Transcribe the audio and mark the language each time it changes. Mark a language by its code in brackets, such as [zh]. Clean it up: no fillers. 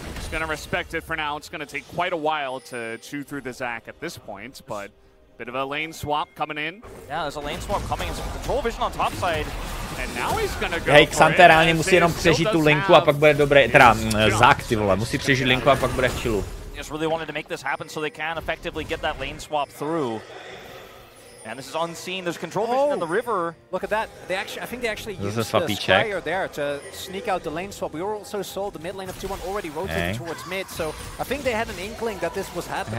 [en] Gonna respect it for now. It's gonna take quite a while to chew through the Zac at this point, but bit of a lane swap coming in. Yeah, there's a lane swap coming in. Control vision on top side. [cs] Hej, Xante reálně musí jenom přežít tu linku a pak bude dobré, teda Zac, ty vole, musí přežít linku a pak bude v chillu. [en] Just really wanted to make this happen so they can effectively get that lane swap through. And this is unseen. There's control vision in the river. Look at that. I think they actually used the Squire there to sneak out the lane swap. We also saw the mid lane of T1 already rotating towards mid. So I think they had an inkling that this was happening.